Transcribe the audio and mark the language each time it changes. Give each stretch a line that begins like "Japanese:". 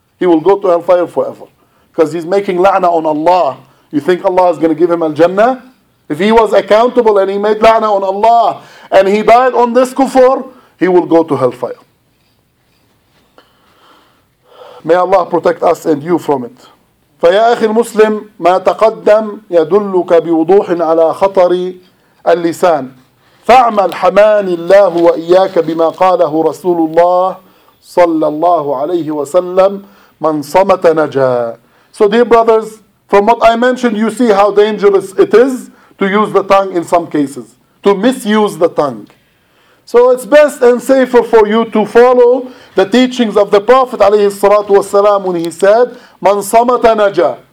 English: He will go to hellfire forever. Because he's making la'na on Allah. You think Allah is going to give him al-Jannah? If he was accountable and he made la'na on Allah, and he died on this kufr, he will go to hellfire. May Allah protect us and you from it.
Arabic: فيا أخي المسلم ما تقدم يدلك بوضوح على خطر اللسان فاعمل حمان الله وإياك بما قاله رسول الله صلى الله عليه وسلم من صمت نجا.
English: So dear brothers, from what I mentioned, you see how dangerous it is to use the tongue in some cases, to misuse the tongue. So it's best and safer for you to follow the teachings of the Prophet
Arabic: عليه الصلاة والسلام
English: when he said,
Arabic: "Man samata naja."